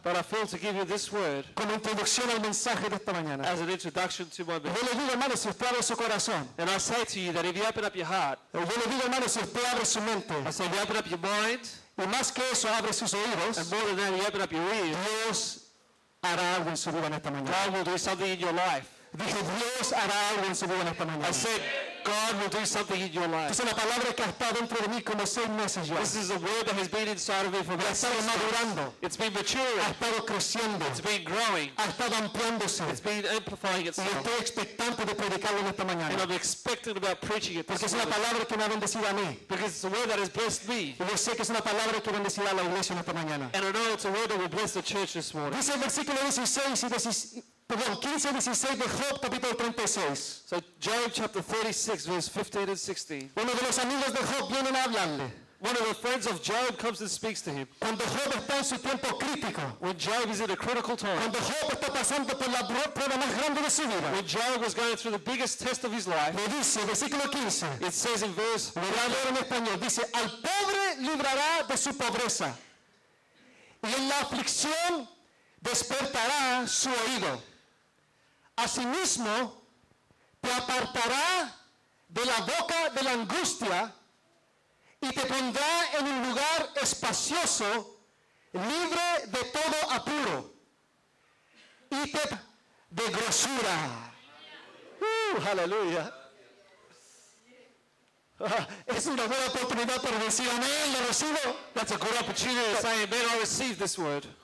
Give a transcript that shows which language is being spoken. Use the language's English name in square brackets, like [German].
[English] but I feel to give you this word, [Spanish] como introducción al mensaje de esta mañana, [English] as an introduction to my message. [Spanish] Yo les digo, hermanos, si usted abre su corazón, [English] and I say to you that if you open up your heart, [Spanish] yo les digo, hermanos, si usted abre su mente, [English] I say if you open up your mind, [Spanish] y más que eso, abre sus oídos, [English] and more than that, you open up your ears, [Spanish] Dios hará algo en su vida en esta mañana. [English] God will do something in your life. [Spanish] Dije, Dios hará algo en su vida en esta mañana. [English] I said, God will do something in your life. [Spanish] Es una palabra que ha estado dentro de mí como seis meses ya. [English] This is a word that has been inside of me for about 6 months. [Spanish] Ha estado madurando. [English] It's been maturing. [Spanish] Ha estado creciendo. [English] It's been growing. [Spanish] Ha estado ampliándose. [English] It's been amplifying itself. [Spanish] Y estoy expectante de predicarlo en esta mañana. [English] And I'm expecting about preaching it. [Spanish] Porque es una palabra que me ha bendecido a mí. [English] Because it's a word that has blessed me. [Spanish] Y yo sé que es una palabra que bendecirá a la iglesia en esta mañana. [English] And I know it's a word that will bless the church this morning. [Spanish] Dice el versículo 16 y 17. Perdón, 15 y 16 de Job, capítulo 36. [English] So Job chapter 36, verse 15 and 16. [Spanish] Uno de los amigos de Job viene a hablarle. [English] One of the friends of Job comes and speaks to him. [Spanish] Cuando Job está en su tiempo crítico. [English] When Job is in a critical time. [Spanish] Cuando Job está pasando por la prueba más grande de su vida. [English] When Job was going through the biggest test of his life. [Spanish] Le dice, versículo 15. [English] It says in verse, [Spanish] lo voy a leer en español. Dice, al pobre librará de su pobreza. Y en la aflicción despertará su oído. Asimismo, te apartará de la boca de la angustia y te pondrá en un lugar espacioso, libre de todo apuro y te de grosura. Aleluya. Es una buena oportunidad para decir amén, lo recibo. [English] That's a good opportunity to say amen, I receive this word.